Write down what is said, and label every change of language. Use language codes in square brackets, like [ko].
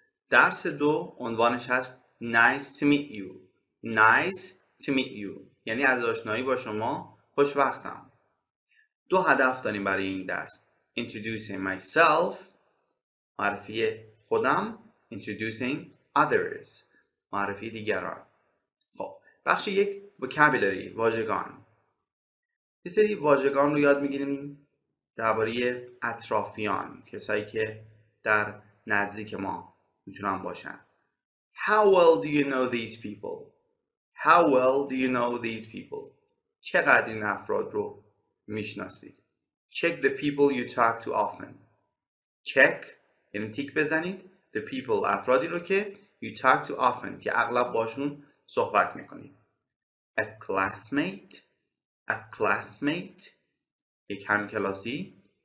[fa] درس 2 عنوانش هست [en] Nice to meet you. Nice to meet you. [fa] یعنی از آشنایی با شما خوشبختم. دو هدف داریم برای این درس. [en] Introducing myself. [fa] معرفی خودم. [en] Introducing others. [fa] معرفی دیگران. خب. بخش یک vocabulary. واژگان. یه سری واژگان رو یاد میگیریم درباره اطرافیان، کسایی که در نزدیک ما میتونن باشن. [en] How well do you know these people? How well do you know these people? [fa] چقدر این افراد رو میشناسید؟ [en] Check the people you talk to often. [fa] Check یعنی تیک بزنید. [en] The people [fa] افرادی رو که [en] you talk to often [fa] که اغلب باشون صحبت میکنید. [en] A classmate. A classmate, [fa] یک همکلاسی.